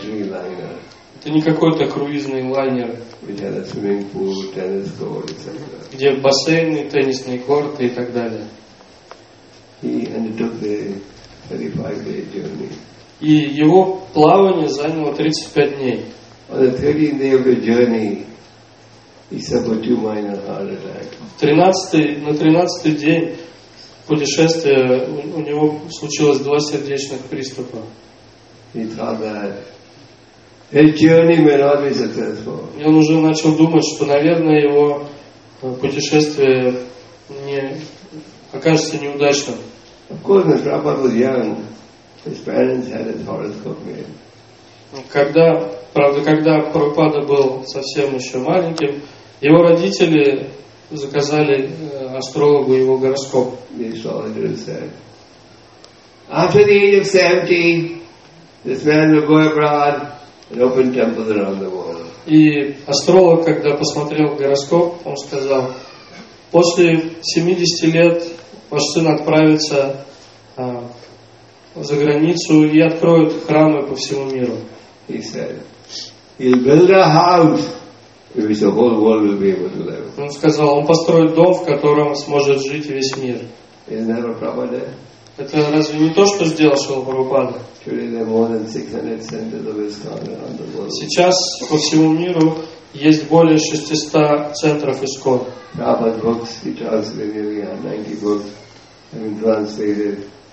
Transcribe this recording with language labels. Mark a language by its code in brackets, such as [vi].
[ru] Это не какой-то круизный лайнер, где бассейны, теннисные корты и так далее. И его плавание заняло 35 дней. [en] On the 13th day of the journey, he suffered two minor heart attacks. [ru] На тринадцатый день путешествия у него случилось два сердечных приступа. [en] He thought that his journey may not be successful. [ru] И он уже начал думать, что, наверное, его путешествие не окажется неудачным. [en] Of course, when Prabhupada was young, his parents had his horoscope made. [ru] Когда Прабхупада был совсем еще маленьким, его родители заказали астрологу его гороскоп. [en] After the age of 70, this man will go abroad and open temples around the world. [ru] И астролог, когда посмотрел гороскоп, он сказал: после 70 лет ваш сын отправится за границу и откроет храмы по всему миру. [en] He said, he'll build a house in which the whole world will be able to live. [ru] Он сказал, он построит дом, в котором сможет жить весь мир. [en] Isn't that Prabhupada? [ru] Это разве не то, что сделал Шрила Прабхупада? [en] Today there are more than 600 centers of ISKCON around the world. [ru] Сейчас по всему миру есть более 600 центров ISKCON. [en] Prabhupada books, he translated nearly 90 books, have been translated.